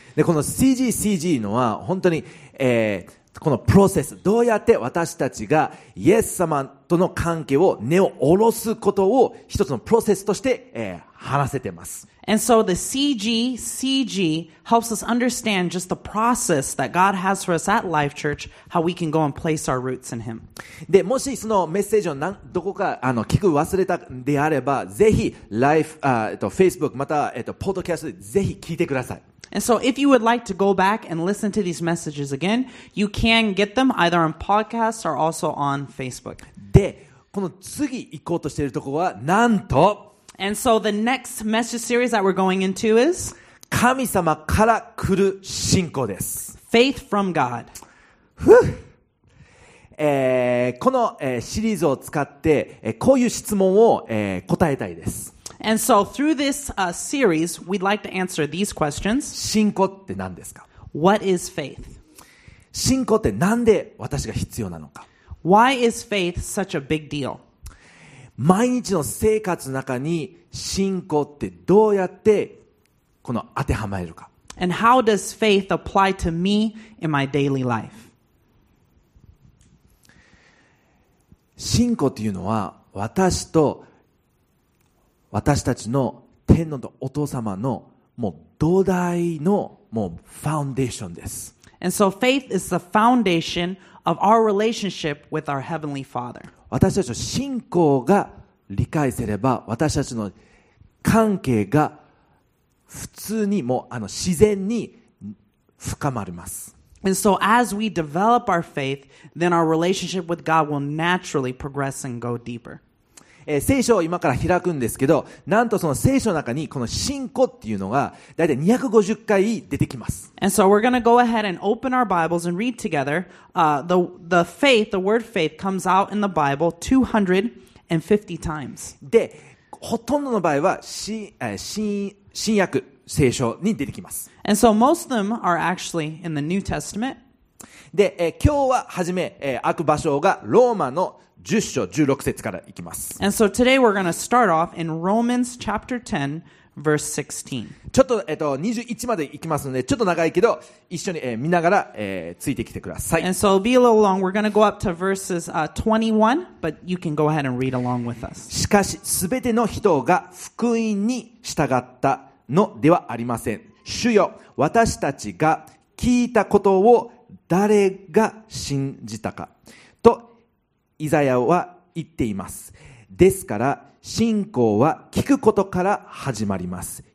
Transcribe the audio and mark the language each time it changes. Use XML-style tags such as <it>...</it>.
<ja>でこの CGCG のは本当に、このプロセスどうやって私たちがイエス様との関係を根を下ろすことを一つのプロセスとして、話せてます。</ja> <en>And so the CGCG helps us understand just the process that God has for us at Life Church, how we can go and place our roots in Him.</en> <ja>で、もしそのメッセージをどこか聞く忘れたであれば、ぜひ Life、Facebook またはポッドキャストでぜひ聞いてください。</ja> <en>And so if you would like to go back and listen to these messages again, you can get them either on podcasts or also on Facebook.</en> <ja>で、この次行こうとしているところはなんと、</ja> <en>And so the next message series that we're going into is</en> <ja>神様から来る信仰です。</ja> <en>Faith from God.</en> <ja>この、シリーズを使って、こういう質問を、答えたいです。</ja> <en>And so through this series, we'd like to answer these questions.</en> <ja>信仰って何ですか?</ja> <en>What is faith?</en> <ja>信仰ってなんで私が必要なのか?</ja> <en>Why is faith such a big deal?</en> <ja>毎日の生活の中に信仰ってどうやってこの当てはまれるか?</ja> <en>And how does faith apply to me in my daily life?</en> <ja>信仰っていうのは私と私たちの天のお父様のもう土台のもうファウンデーションです。</ja> <en>And so faith is the foundation of our relationship with our heavenly Father.</en> <ja>私たちの信仰が理解すれば、私たちの関係が普通にもう自然に深まります。</ja> <en>And so as we develop our faith, then our relationship with God will naturally progress and go deeper.</en> <ja>聖書を今から開くんですけど、なんとその聖書の中にこの信仰っていうのがだいたい250回出てきます。</ja> <en>And so we're gonna go ahead and open our Bibles and read together. The word faith comes out in the Bible 250 times.</en> <ja>で、ほとんどの場合は新約聖書に出てきます。</ja> <en>And so most of them are actually in the New Testament.</en> <ja>で、今日は初め、開く場所がローマの10章16節からいきます。</ja> <en>And so today we're gonna start off in Romans chapter 10, verse 16.</en> <ja>ちょっと、21までいきますので、ちょっと長いけど、一緒に、見ながら、ついてきてください。</ja> <en>And so be a little long. We're gonna go up to verses 21, but you can go ahead and read along with us.</en> <ja>しかし、すべての人が福音に従ったのではありません。主よ、私たちが聞いたことを誰が信じたか。イザヤは言っています。ですから信仰は聞くことから始まります。</ja>